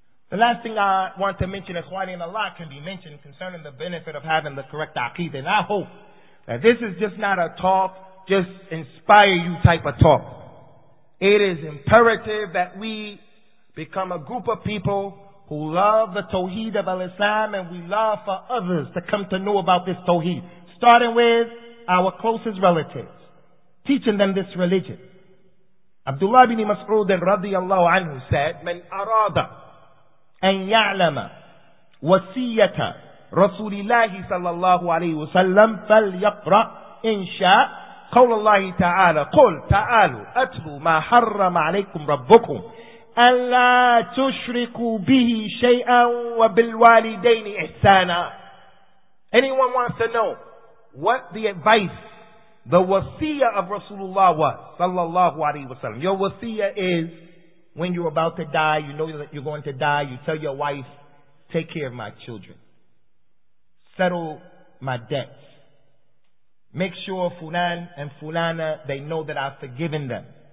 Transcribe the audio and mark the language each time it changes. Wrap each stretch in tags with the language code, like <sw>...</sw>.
<en>The last thing I want to mention, ikhwani, and Allah can be mentioned concerning the benefit of having the correct aqidah. And I hope that this is just not a talk, just inspire you type of talk. It is imperative that we become a group of people who love the tawheed of al-Islam, and we love for others to come to know about this tawheed. Starting with our closest relatives, teaching them this religion.</en> <ar>Abdullah ibn Mas'ud radiyallahu anhu said, من أراد أن يعلم وصية رسول الله صلى الله عليه وسلم فليقرأ إن شاء قول الله تعالى قل تعالوا أتلوا ما حرم عليكم ربكم ألا تشركوا به شيئا وبالوالدين إحسانا.</ar> <en>Anyone wants to know what the advice, the wasiyah of Rasulullah was, sallallahu alayhi wa sallam. Your wasiyah is, when you're about to die, you know that you're going to die, you tell your wife, take care of my children. Settle my debts. Make sure fulan and fulana, they know that I've forgiven them.</en>